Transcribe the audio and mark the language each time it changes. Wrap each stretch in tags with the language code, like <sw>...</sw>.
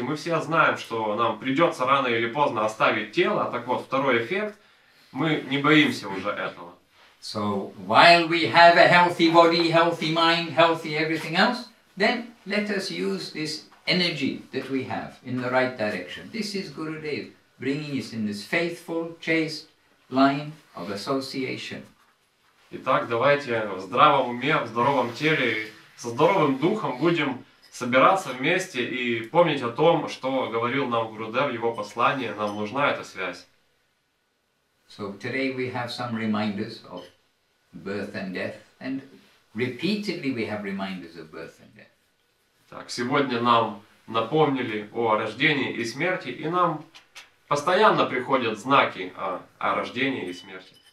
<ru>Мы все знаем, что нам придется рано или поздно оставить тело, так вот, второй эффект – мы не боимся уже этого.</ru> <en>So, while we have a healthy body, healthy mind, healthy everything else, then let us use this energy that we have in the right direction. This is Gurudev bringing us in this faithful, chaste line of association.</en> <ru>Итак, давайте в здравом уме, в здоровом теле, со здоровым духом будем собираться вместе и помнить о том, что говорил нам Гурудев в его послании, нам нужна эта связь.</ru> <en>So today we have some reminders of birth and death, and repeatedly we have reminders of birth and death.</en> <ru>Так, сегодня нам напомнили о рождении и смерти, и нам постоянно приходят знаки о рождении и смерти.</ru>